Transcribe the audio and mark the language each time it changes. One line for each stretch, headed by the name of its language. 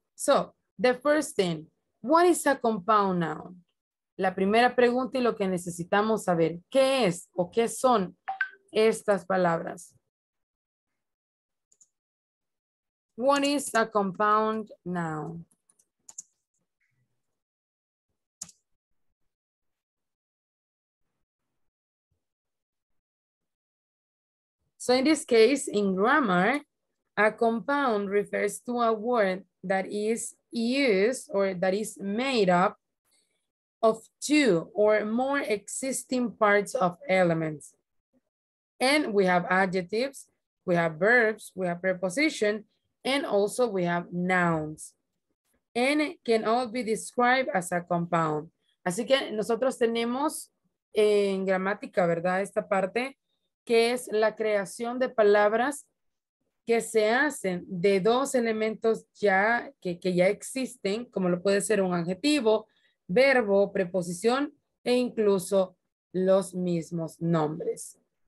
English: So the first thing, what is a compound noun?
Spanish: La primera pregunta y lo que necesitamos saber, ¿qué es o qué son estas palabras?
English: What is a compound noun? So in this case, in grammar, a compound refers to a word that is used or that is made up of two or more existing parts of elements. And we have adjectives, we have verbs, we have preposition, and also we have nouns. And it can all be described as a compound.
Spanish: Así que nosotros tenemos en gramática, ¿verdad? Esta parte, que es la creación de palabras que se hacen de dos elementos ya, que ya existen, como lo puede ser un adjetivo, verbo, preposición, e incluso los mismos nombres.